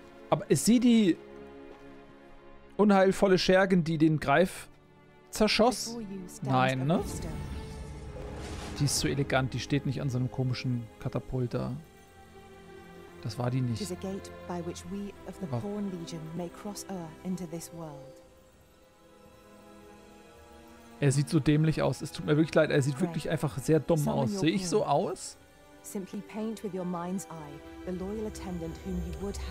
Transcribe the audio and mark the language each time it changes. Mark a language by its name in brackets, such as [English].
[German] Aber ist sie die unheilvolle Schergen, die den Greif... zerschoss? Nein, ne? Die ist zu elegant. Die steht nicht an so einem komischen Katapult da. Das war die nicht. [English] A gate by which we of the Pawn Legion may cross o'er into this world. [German] Er sieht so dämlich aus. Es tut mir wirklich leid. Er sieht wirklich einfach sehr dumm aus. Sehe ich so aus? [English] Simply paint with your mind's eye the loyal attendant whom you would have.